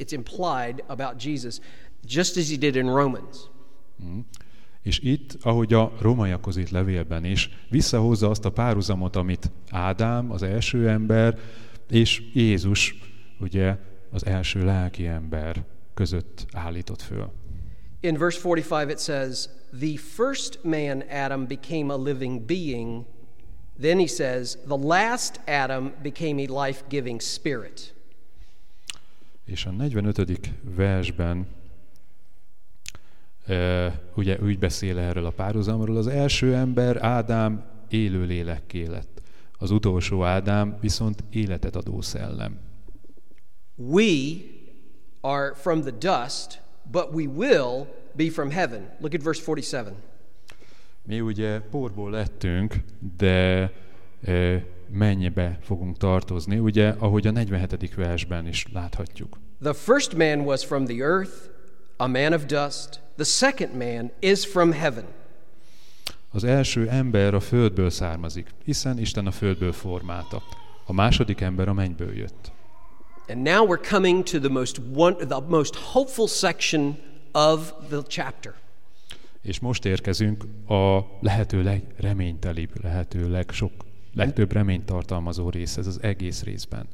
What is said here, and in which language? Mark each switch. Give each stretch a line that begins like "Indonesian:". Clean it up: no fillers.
English: It's implied about Jesus, just as he did in Romans.
Hungarian: És itt, ahogy a Rómaiakhoz írt levélben is, visszahozza azt a párhuzamot, amit Ádám, az első ember, és Jézus, ugye, az első lelki ember között állított föl.
English: In verse 45 it says, the first man Adam became a living being. Then he says, the last Adam became a life-giving spirit.
Hungarian: És a 45. versben ugye úgy beszél erről a párhuzamról, az első ember Ádám élő lélekké lett, az utolsó Ádám viszont életet adó szellem.
English: We are from the dust, but we will be from heaven. Look at verse 47.
Hungarian: Mi ugye porból lettünk, de mennyibe fogunk tartozni, ugye, ahogy a 47. versben is láthatjuk.
English: The first man was from the earth, a man of dust. The second man is from heaven.
Hungarian: Az első ember a földből származik, hiszen Isten a földből formálta. A második ember a mennyből jött.
English: And now we're coming to the most hopeful section of the chapter.
Hungarian: És most érkezünk a lehető legreménytelibb, lehető legtöbb reményt tartalmazó részhez az egész részben.